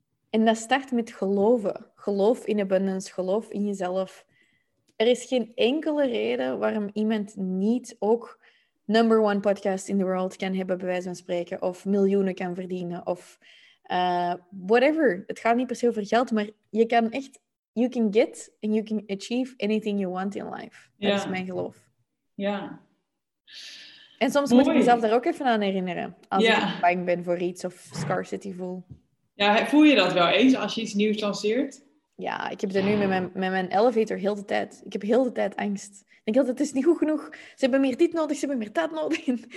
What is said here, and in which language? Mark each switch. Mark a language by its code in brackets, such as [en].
[nl] En dat start met geloven. Geloof in abundance, geloof in jezelf. Er is geen enkele reden waarom iemand niet ook [en] number one podcast in the world [nl] kan hebben, bij wijze van spreken. Of miljoenen kan verdienen. Of whatever. Het gaat niet per se over geld, maar je kan echt... [en] You can get and you can achieve anything you want in life. [nl] Dat is mijn geloof. Ja. En soms moet ik mezelf daar ook even aan herinneren. Als ik bang ben voor iets of scarcity voel. Ja, voel je dat wel eens als je iets nieuws lanceert? Ja, ik heb er nu met mijn elevator heel de tijd. Ik heb heel de tijd angst. Ik denk altijd, het is niet goed genoeg. Ze hebben meer dit nodig, ze hebben meer dat nodig.